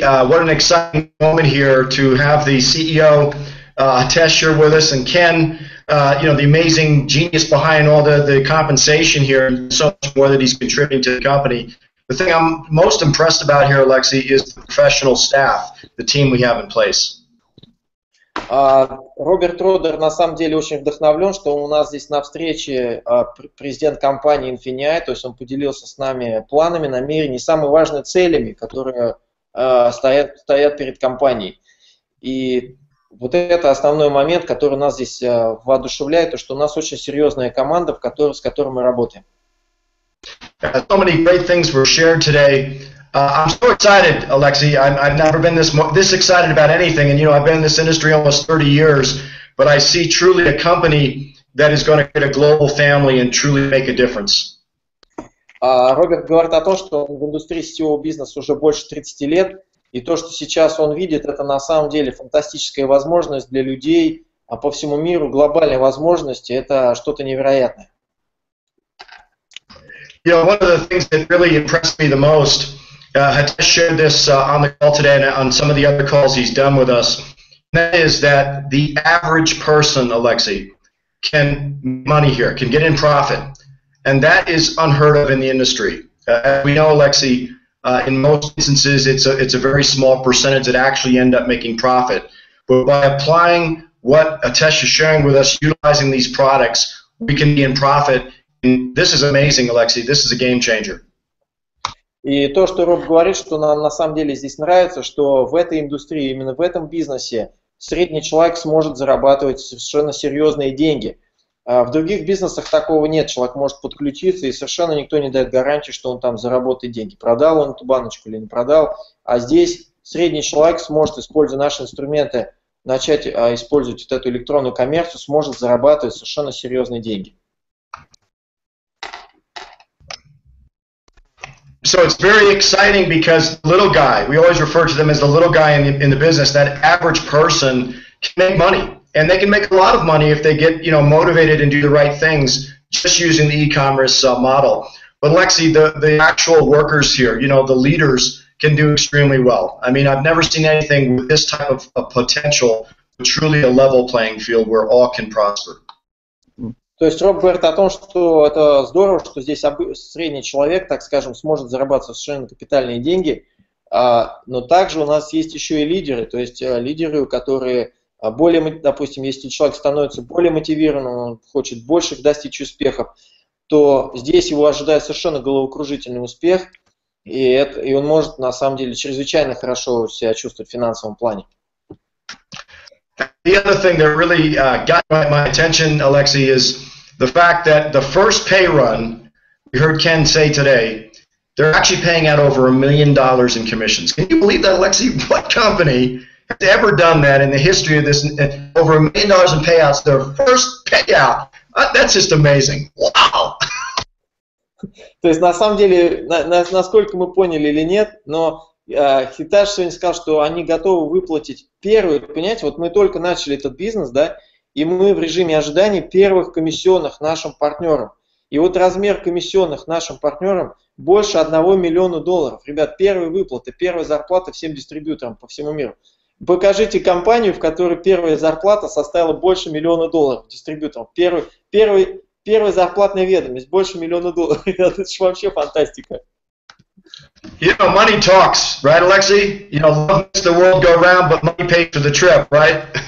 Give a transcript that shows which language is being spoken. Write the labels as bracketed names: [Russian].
[English] What an exciting moment here to have the CEO, Hitesh, here with us, and Ken, you know, the amazing genius behind all the compensation here and so much more that he's contributing to the company. The thing I'm most impressed about here, Alexei, is the professional staff, the team we have in place. [Russian] Роберт Родер на самом деле очень вдохновлен, что у нас здесь на встрече президент компании Infineon, то есть он поделился с нами планами, намерениями, самыми важными целями, которые стоят перед компанией. И вот это основной момент, который нас здесь воодушевляет, то что у нас очень серьезная команда, с которой мы работаем. [English] So many great things were shared today. I'm so excited, Alexei. I've never been this excited about anything, and you know, I've been in this industry almost 30 years, but I see truly a company that is going to create a global family and truly make a difference. Роберт говорит о том, что он в индустрии сетевого бизнеса уже больше 30 лет, и то, что сейчас он видит, это на самом деле фантастическая возможность для людей, а по всему миру глобальные возможности – это что-то невероятное. You know, one of the things that really impressed me the most, Hitesh shared this on the call today and on some of the other calls he's done with us, that is that the average person, Alexei, can make money here, can get in profit. And that is unheard of in the industry. As we know, Alexei, in most instances, it's a very small percentage that actually end up making profit. But by applying what Hitesh is sharing with us, utilizing these products, we can be in profit. This is amazing, Alexei. This is a game changer. [Russian] И то, что Роб говорит, что нам на самом деле здесь нравится, что в этой индустрии, именно в этом бизнесе, средний человек сможет зарабатывать совершенно серьезные деньги. В других бизнесах такого нет. Человек может подключиться, и совершенно никто не дает гарантии, что он там заработает деньги. Продал он эту баночку или не продал. А здесь средний человек сможет, используя наши инструменты, начать использовать вот эту электронную коммерцию, сможет зарабатывать совершенно серьезные деньги. [English] So it's very exciting because little guy, we always refer to them as the little guy in the business, that average person can make money. And they can make a lot of money if they get, you know, motivated and do the right things just using the e-commerce model. But Lexi, the actual workers here, you know, the leaders can do extremely well. I mean, I've never seen anything with this type of potential, but truly a level playing field where all can prosper. [Russian] То есть Роб говорит о том, что это здорово, что здесь средний человек, так скажем, сможет зарабатывать совершенно капитальные деньги, но также у нас есть еще и лидеры, то есть лидеры, которые более, допустим, если человек становится более мотивированным, он хочет больше достичь успехов, то здесь его ожидает совершенно головокружительный успех, и он может на самом деле чрезвычайно хорошо себя чувствовать в финансовом плане. The other thing that really got my attention, Alexei, is the fact that the first pay run, we heard Ken say today, they're actually paying out over $1 million in commissions. Can you believe that, Alexei? What company has ever done that in the history of this? Over $1 million in payouts, their first payout. That's just amazing. Wow! То есть, на самом деле, насколько мы поняли или нет, но... Хитаж сегодня сказал, что они готовы выплатить первые, понимаете, вот мы только начали этот бизнес, да, и мы в режиме ожидания первых комиссионных нашим партнерам. И вот размер комиссионных нашим партнерам больше $1 миллиона. Ребят, первые выплаты, первая зарплата всем дистрибьюторам по всему миру. Покажите компанию, в которой первая зарплата составила больше $1 миллиона дистрибьюторам. Первая зарплатная ведомость больше $1 миллиона. Это же вообще фантастика. [English] You know, money talks, right, Alexei? You know, love makes the world go round, but money pays for the trip, right?